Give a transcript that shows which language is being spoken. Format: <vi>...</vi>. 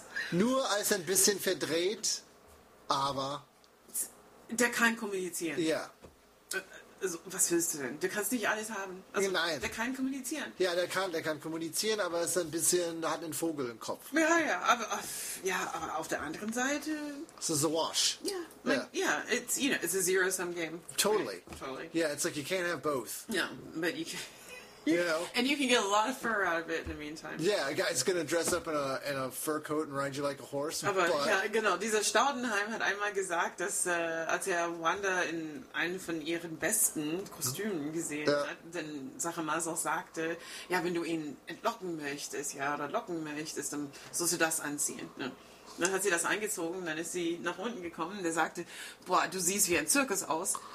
<de>Nur als ein bisschen verdreht, aber... Der kann kommunizieren. Ja. Also, was willst du denn? Du kannst nicht alles haben. Also, nein. Der kann kommunizieren. Ja, der kann kommunizieren, aber ist ein bisschen, hat einen Vogel im Kopf. Ja, aber auf der anderen Seite...</de> <en>It's a wash. It's, you know, it's a zero-sum game. Totally. Right? Totally. Yeah, it's like you can't have both. Yeah, but you can... You know. And you can get a lot of fur out of it in the meantime. Yeah, a guy's gonna dress up in a fur coat and ride you like a horse.</en> <de>Aber but... ja, genau. Dieser Staudenheim hat einmal gesagt, dass als er Wanda in einem von ihren besten Kostümen gesehen hat, dann Sachemas auch sagte, ja, wenn du ihn entlocken möchtest, ja, oder locken möchtest, dann sollst du das anziehen. Ne? Dann hat sie das angezogen, dann ist sie nach unten gekommen und er sagte, boah, du siehst wie ein Zirkus aus.</de>